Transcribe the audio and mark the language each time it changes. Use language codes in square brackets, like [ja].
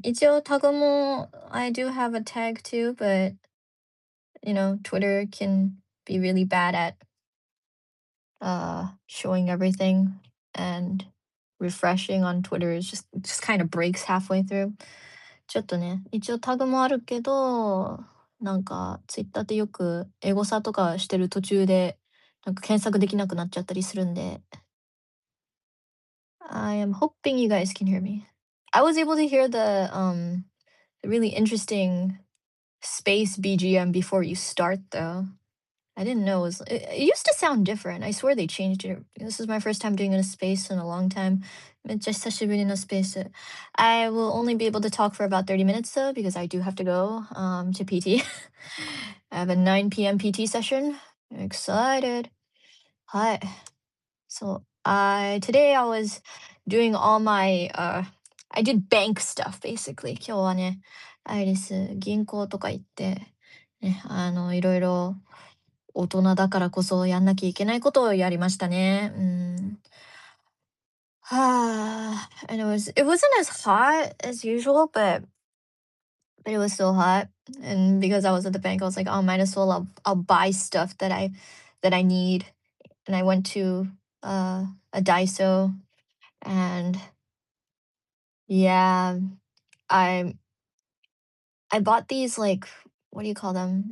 [ja] 一応タグも、 [en] I do have a tag too, but, you know, Twitter can be really bad at showing everything and refreshing on Twitter is just kind of breaks halfway through. [ja] ちょっとね、一応タグもあるけど、なんか Twitter ってよくエゴサとかしてる途中で、なんか検索できなくなっちゃったりするんで。 [en] I am hoping you guys can hear me. I was able to hear the really interesting space BGM before you start though. I didn't know it used to sound different. I swear they changed it. This is my first time doing a space in a long time. I will only be able to talk for about 30 minutes though, because I do have to go to PT. I have a 9 p.m. PT session. I'm excited. Hi. So today I was doing all my I did bank stuff basically. [ja] 今日はね、アイリス銀行とか行って、ね、いろいろ大人だからこそやんなきゃいけないことをやりましたね。 [en] And it wasn't as hot as usual, but it was still hot. And because I was at the bank, I was like, oh, might as well I'll buy stuff that I need. And I went to a Daiso, and yeah, I bought these, like, what do you call them?